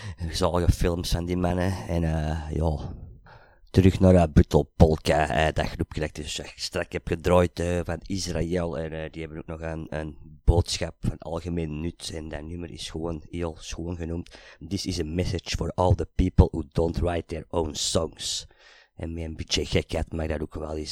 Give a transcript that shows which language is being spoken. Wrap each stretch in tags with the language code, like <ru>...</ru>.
<nl>Zalige films van die mannen. En ja, terug naar Brutal Polka, dat groepje dat ik dus strak heb gedraaid van Israël. En die hebben ook nog een boodschap van algemeen nut. En dat nummer is gewoon heel schoon genoemd.</nl> <en>This is a message for all the people who don't write their own songs.</en> <nl>En met een beetje gekheid, maar dat ook wel is.</nl>